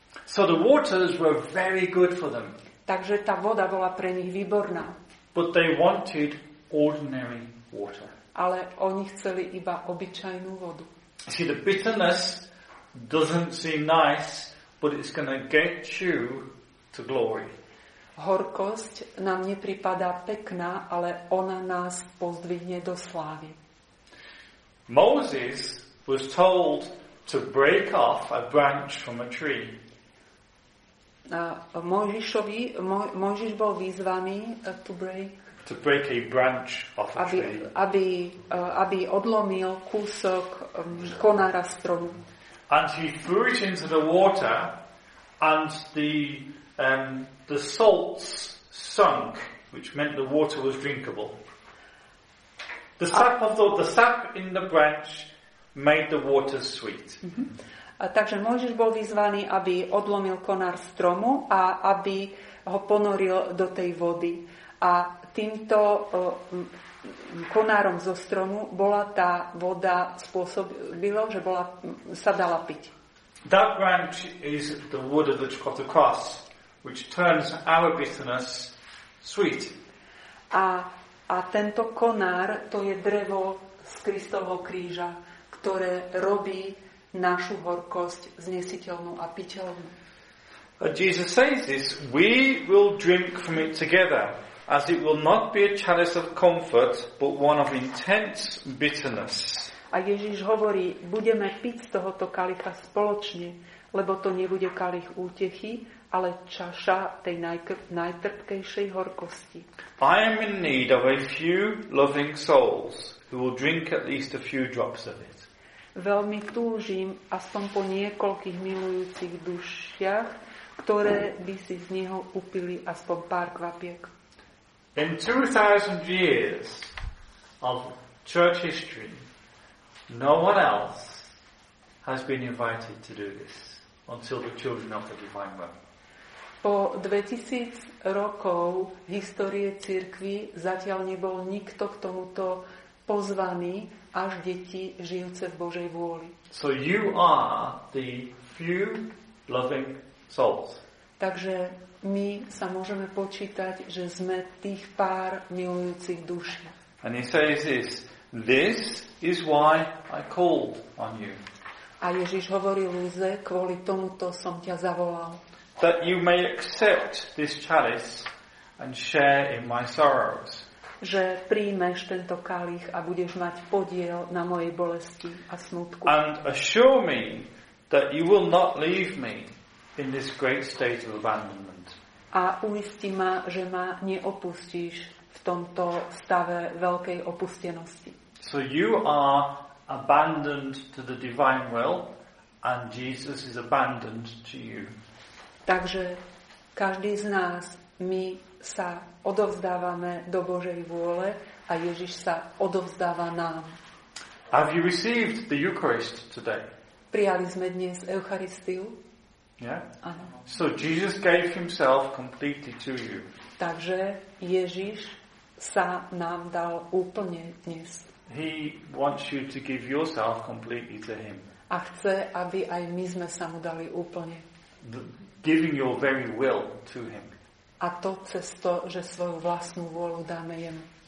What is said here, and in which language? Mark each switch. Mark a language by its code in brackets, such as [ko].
[en] So the waters were very good for them. [sk] Takže tá voda bola pre nich výborná. [en] But they wanted ordinary water. [sk] Ale oni chceli iba obyčajnú vodu. [en] See, the bitterness doesn't seem nice, but it's going to get you to glory. [sk] Horkosť nám nepripadá pekná, ale ona nás pozdvihne do slávy. [en] Moses was told to break off a branch from a tree. [sk] Mojžiš bol vyzvaný [en] to break a branch off a tree. [sk] Aby odlomil kúsok konára stromu. [en] And he threw it into the water and the salts sunk, which meant the water was drinkable. The sap of the sap in the branch made the water sweet. [sk] A takže Mojžiš bol vyzvaný, aby odlomil konár stromu a aby ho ponoril do tej vody. A týmto konárom zo stromu bola tá voda spôsobila, že bola sa dala piť. [en] That branch is the wood of the cross, which turns our bitterness sweet. [sk] A tento konár, to je drevo z Kristovho kríža, ktoré robí našu horkosť znesiteľnú a piteľnú. [en] But Jesus says this, we will drink from it together, as it will not be a chalice of comfort, but one of intense bitterness. [sk] A Ježiš hovorí, budeme piť z tohoto kalicha spoločne, lebo to nebude kalich útechy, ale čaša tej najtrpkejšej horkosti. [en] I am in need of a few loving souls who will drink at least a few drops of it. [sk] Veľmi túžim aspoň po niekoľkých milujúcich dušiach, ktoré by si z neho upili aspoň pár kvapiek. [en] In 2000 years of church history, no one else has been invited to do this until the children of the divine one. [sk] Po 2000 rokov histórie cirkvi zatiaľ nebol nikto k tomuto pozvaný, až deti žijúce v Božej vôli. [en] So you are the few loving souls. [sk] Takže my sa môžeme počítať, že sme tých pár milujúcich duší. [en] And he says this, this is why I called on you. [sk] A Ježiš hovorí Lúze, kvôli tomuto som ťa zavolal. [en] That you may accept this chalice and share in my sorrows. [sk] Že príjmeš tento kalich a budeš mať podiel na mojej bolesti a smutku. [en] And assure me that you will not leave me in this great state of abandonment. [sk] A uisti ma, že ma neopustíš v tomto stave veľkej opustenosti. [en] So you are abandoned to the divine will and Jesus is abandoned to you. [sk] Takže každý z nás, my sa odovzdávame do Božej vôle a Ježiš sa odovzdáva nám. [en] Have you received the Eucharist today? [sk] Prijali sme dnes Eucharistiu? [en] Yeah. [sk] Áno. [en] So Jesus gave himself completely to you. [sk] Takže Ježiš sa nám dal úplne dnes. [en] He wants you to give yourself completely to him. [sk] A chce, aby aj my sme sa mu dali úplne. [en] Giving your very will to him. [sk] A to cez to, že svoju vlastnú vôľu dáme jemu.